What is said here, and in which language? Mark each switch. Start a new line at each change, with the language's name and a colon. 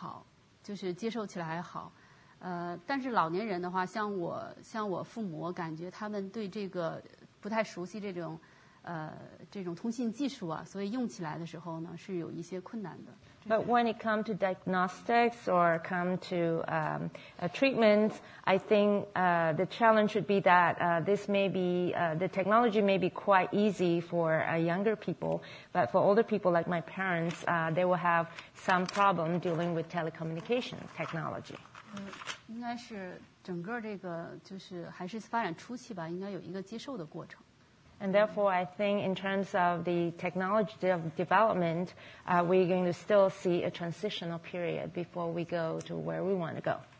Chinese: 但是和这个就是诊疗辅助性的相关的应用呢，就有一些问题，就是面临一些挑战了。那一个的话呢，就是我觉得就是年轻人还好，就是接受起来还好。但是老年人的话，像我父母，感觉他们对这个不太熟悉这种通信技术啊，所以用起来的时候呢，是有一些困难的。
English: But when it comes to diagnostics or come to treatments, I think the challenge should be that this may be the technology may be quite easy for younger people, but for older people like my parents, they will have some problem dealing with telecommunication technology.
Chinese: 应该是整个这个就是还是发展初期吧，应该有一个接受的过程。
English: And therefore, I think in terms of the technology development, we're going to still see a transitional period before we go to where we want to go.